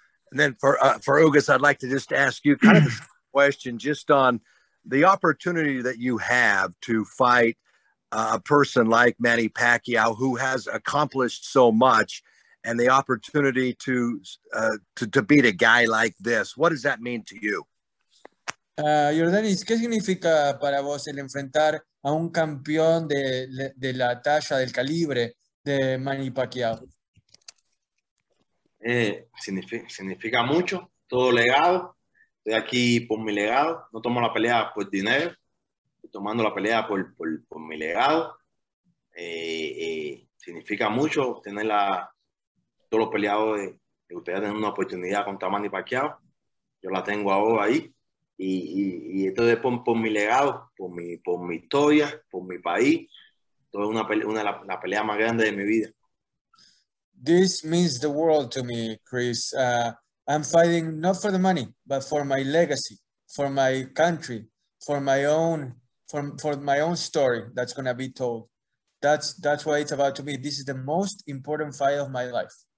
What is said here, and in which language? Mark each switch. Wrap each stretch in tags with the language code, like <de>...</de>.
<en>And then for Ugas, I'd like to just ask you kind of a question just on the opportunity that you have to fight a person like Manny Pacquiao, who has accomplished so much, and the opportunity to beat a guy like this. What does that mean to you?</en> <es>Jordanis, ¿qué significa para vos el enfrentar a un campeón de la talla, del calibre de Manny Pacquiao? Significa mucho, todo legado. Estoy aquí por mi legado. No tomo la pelea por dinero, estoy tomando la pelea por mi legado. Significa mucho tener todos los peleadores de ustedes tener una oportunidad contra Manny Pacquiao. Yo la tengo ahora ahí. Y esto es por mi legado, por mi historia, por mi país. Todo una pelea más grande de mi vida.</es> <en>This means the world to me, Chris. I'm fighting not for the money, but for my legacy, for my country, for my own, for my own story that's going to be told. That's what it's about to me. This is the most important fight of my life.</en>